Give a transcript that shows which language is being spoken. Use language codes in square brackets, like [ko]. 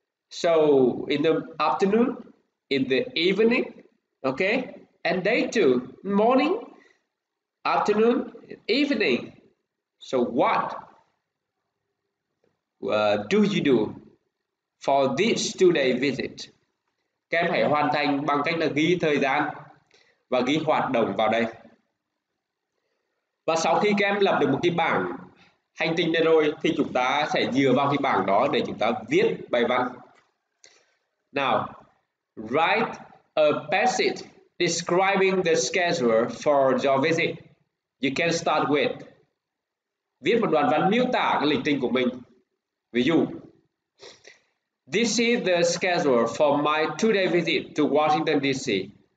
[en] So in the afternoon, in the evening, okay, and day two, morning, afternoon, evening. So what do you do for this 2-day visit? [vi] Các em hãy hoàn thành bằng cách là ghi thời gian và ghi hoạt động vào đây. Và sau khi các em lập được một cái bảng hành trình này rồi, thì chúng ta sẽ dựa vào cái bảng đó để chúng ta viết bài văn. [en] Now, write a passage describing the schedule for your visit. You can start with. [vi] Viết một đoạn văn miêu tả cái lịch trình của mình. Ví dụ, [en] this is the schedule for my 2-day visit to Washington, D.C.